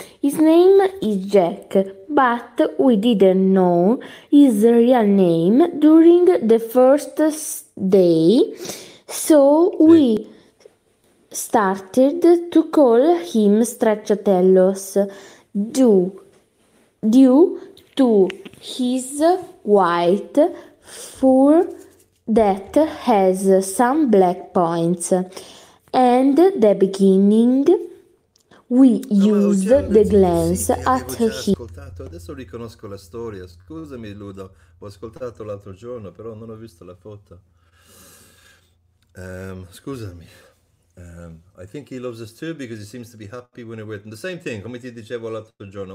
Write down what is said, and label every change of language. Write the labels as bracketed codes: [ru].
[en] His name is Jack, but we didn't know his real name during the first day, so we started to call him Stracciatellos due to his white fur that has some black points. And the beginning we used the glance at him. [it] Ascoltato. Adesso riconosco la storia. Scusami, Ludo, ho ascoltato l'altro giorno, però non ho visto la foto. Scusami. [en] I think he loves us too because he seems to be happy when we're with him. The same thing, [it] come ti dicevo l'altro giorno.